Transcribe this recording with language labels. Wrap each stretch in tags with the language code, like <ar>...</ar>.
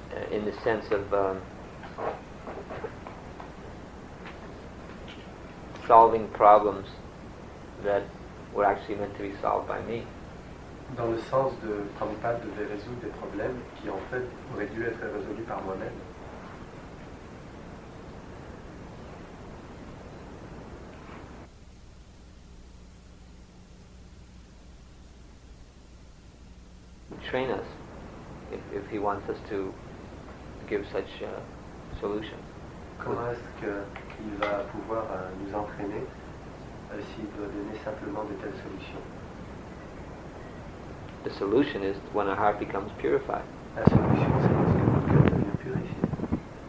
<en>In the sense of solving problems that were actually meant to be solved by me.</en> <fr>Dans le sens de Prabhupada devait résoudre des problèmes qui en fait auraient dû être résolus par moi-même.</fr> <en>Train us if he wants us to give such solutions.</en> <fr>Comment est-ce qu'il va pouvoir nous entraîner s'il doit donner simplement de telles solutions?</fr> <en>The solution is when our heart becomes purified.</en> <fr>La solution, c'est lorsque notre cœur devient purifié.</fr>